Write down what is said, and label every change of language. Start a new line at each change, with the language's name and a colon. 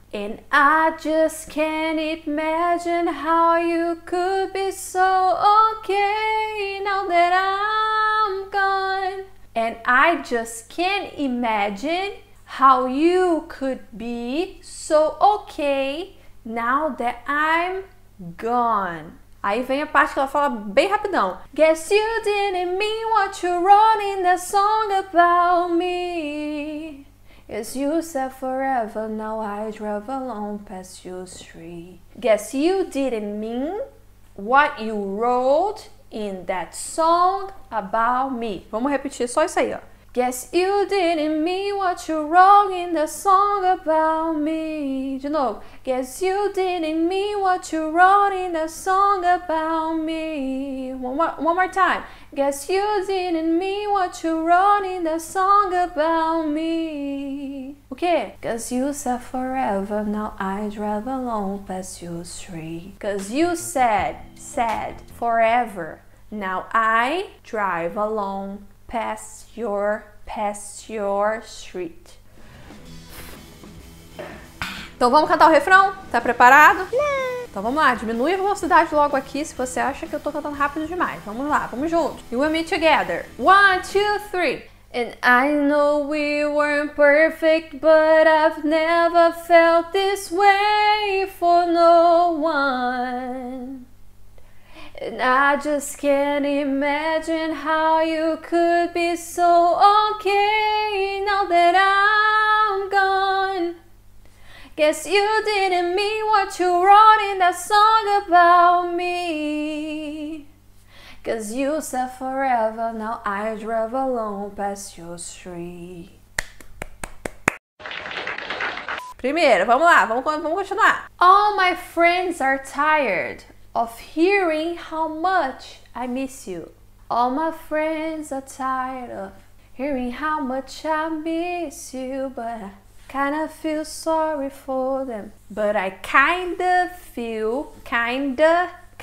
English: And I just can't imagine how you could be so okay now that I'm gone. And I just can't imagine how you could be so okay now that I'm gone.
Portuguese: Aí vem a parte que ela fala bem rapidão.
English: Guess you didn't mean what you wrote in that song about me. Guess you said forever, now I drive alone past your street. Guess you didn't mean what you wrote in that song about me.
Portuguese: Vamos repetir só isso aí, ó.
English: Guess you didn't mean what you wrote in the song about me.
Portuguese: De novo.
English: Guess you didn't mean what you wrote in the song about me. One more time. Guess you didn't mean what you wrote in the song about me.
Portuguese: O quê?
English: Cause you said forever, now I drive alone past your street. Cause you said forever, now I drive alone past your street.
Portuguese: Então vamos cantar o refrão? Tá preparado? Não. Então vamos lá, diminui a velocidade logo aqui se você acha que eu tô cantando rápido demais. Vamos lá, vamos juntos.
English: You and me together.
Portuguese: 1, 2, 3.
English: And I know we weren't perfect, but I've never felt this way for no one. And I just can't imagine how you could be so okay now that I'm gone. Guess you didn't mean what you wrote in that song about me. Cause you said forever, now I drive alone past your street.
Portuguese: Primeiro, vamos lá, vamos continuar.
English: All my friends are tired of hearing how much I miss you. All my friends are tired of hearing how much I miss you, but I kinda feel sorry for them. But I kinda feel kind of.